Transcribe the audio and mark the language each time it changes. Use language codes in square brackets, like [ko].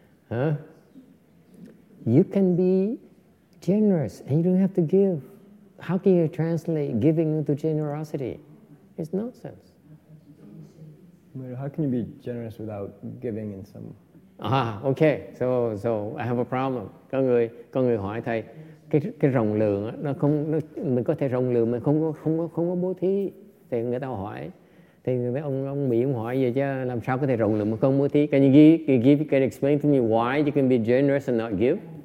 [en] Huh? You can be generous and you don't have to give. How can you translate giving into generosity? It's nonsense. How can you be generous without giving in some? Ah, okay. So I have a problem. [vi] Con người hỏi thầy cái rộng lượng nó không nó, mình có thể rộng lượng mình không có bố thí. Thì người ta hỏi, thì ông Mỹ ông hỏi vậy chứ làm sao có thể rộng lượng mà không bố thí? [en] Can you explain to me why you can be generous and not give?